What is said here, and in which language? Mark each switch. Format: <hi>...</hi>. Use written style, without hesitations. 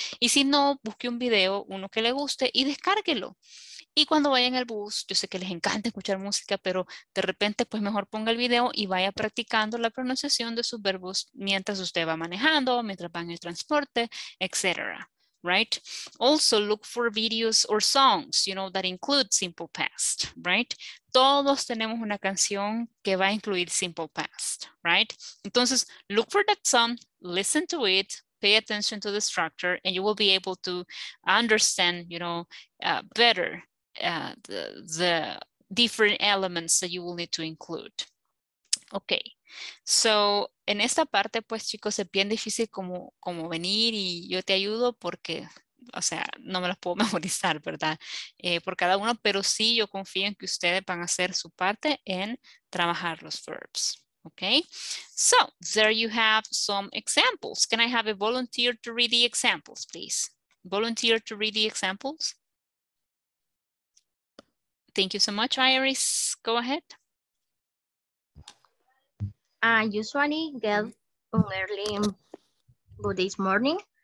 <es>Y si no, busque un video, uno que le guste y descárguelo. Y cuando vaya en el bus, yo sé que les encanta escuchar música, pero de repente pues mejor ponga el video y vaya practicando la pronunciación de sus verbos mientras usted va manejando, mientras va en el transporte, etc.</es> <en>Right? Also look for videos or songs, you know, that include Simple Past, right?</en> <es>Todos tenemos una canción que va a incluir Simple Past, right?</es> <en>Entonces, look for that song, listen to it, pay attention to the structure, and you will be able to understand, you know, better the different elements that you will need to include.</en> <es>Okay, so en esta parte, pues chicos, es bien difícil como venir y yo te ayudo porque, o sea, no me las puedo memorizar, ¿verdad? Por cada uno, pero sí yo confío en que ustedes van a hacer su parte en trabajar los verbs.</es> <en>Okay, so there you have some examples. Can I have a volunteer to read the examples, please? Volunteer to read the examples. Thank you so much, Iris. Go ahead. I usually get up early this morning.</en>